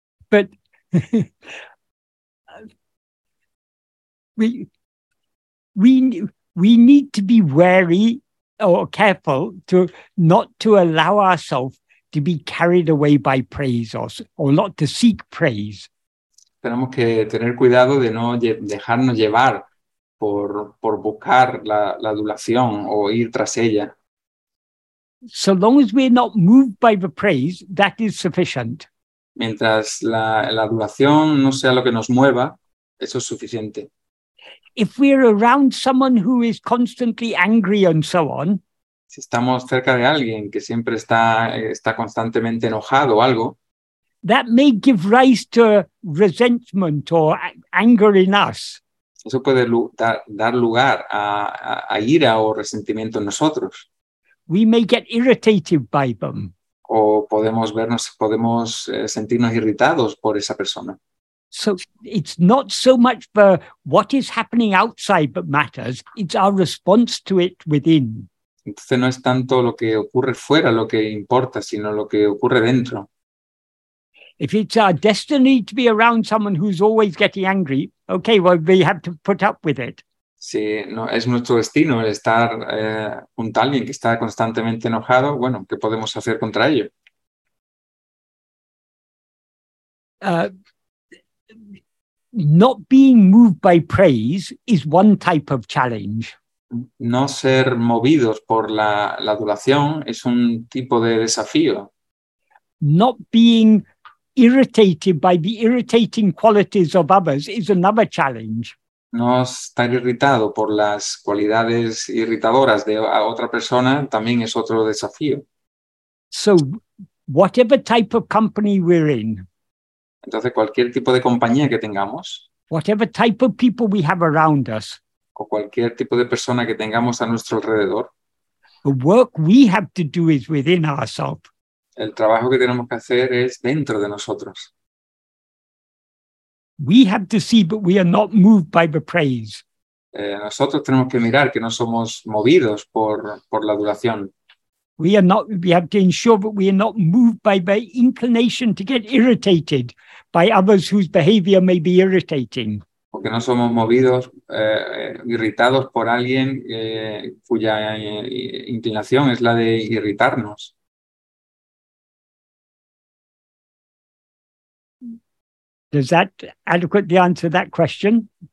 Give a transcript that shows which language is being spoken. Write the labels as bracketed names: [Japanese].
[English] But we need to be wary or careful to not to allow ourselves to be carried away by praise or not to seek praise. [Spanish] Tenemos que tener cuidado de no dejarnos llevar por buscar la adulación o ir tras ella. [English] So long as we're not moved by the praise, that is sufficient. [Spanish] Mientras la adulación no sea lo que nos mueva, eso es suficiente. [English] If we're around someone who is constantly angry and so on, [Spanish] si estamos cerca de alguien que siempre está constantemente enojado o algo, [English] that may give rise to resentment or anger in us. [Spanish] Eso puede dar lugar a ira o resentimiento en nosotros. [English] We may get irritated by them. [Spanish] O podemos sentirnos irritados por esa persona. [English] So it's not so much for what is happening outside that matters, it's our response to it within. [Spanish] Entonces no es tanto lo que ocurre fuera lo que importa, sino lo que ocurre dentro. [English] If it's our destiny to be around someone who's always getting angry, okay, well, we have to put up with it. [Spanish] Sí, no, es nuestro destino el estar junto a alguien que está constantemente enojado. Bueno, ¿qué podemos hacer contra ello? [English] Not being moved by praise is one type of challenge. [Spanish] No ser movidos por la adulación es un tipo de desafío. [English] Not being irritated by the irritating qualities of others is another challenge. [Spanish] No estar irritado por las cualidades irritadoras de otra persona también es otro desafío. [English] So, whatever type of company we're in. [Spanish] Entonces, cualquier tipo de compañía que tengamos. [English] Whatever type of people we have around us. [Spanish] O cualquier tipo de persona que tengamos a nuestro alrededor. [English] The work we have to do is within ourselves. [Spanish] El trabajo que tenemos que hacer es dentro de nosotros. [English] We have to see, but we are not moved by the praise. [Spanish] Nosotros tenemos que mirar que no somos movidos por la adulación. [English] We are not. We have to ensure that we are not moved by the inclination to get irritated by others whose behavior may be irritating. [Spanish] Porque no somos movidos, irritados por alguien cuya inclinación es la de irritarnos. [English] Does that adequately answer that question?